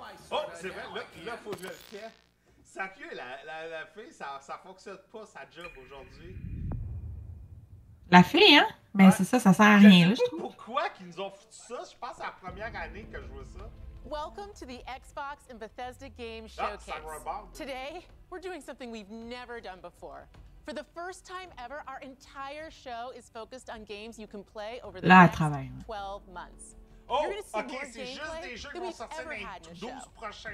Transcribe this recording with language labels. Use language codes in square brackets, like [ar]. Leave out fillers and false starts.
[fr] Oh, c'est vrai, là, faut que je le fasse. Ça pue, la fille, ça fonctionne pas, sa job aujourd'hui. La fille, hein? Ben ouais. C'est ça, ça sert à rien, là, je trouve. Pourquoi qu'ils nous ont foutu ça? Je pense que c'est la première année que je vois ça. [en] Welcome to the Xbox and Bethesda Game Showcase. [fr] Ah, ça rebond. [en] Today, we're doing something we've never done before. For the first time ever, our entire show is focused on games you can play over the [fr] là, [en] next 12 months. [fr] Oh, ok, c'est juste des jeux qui vont sortir dans les 12 prochains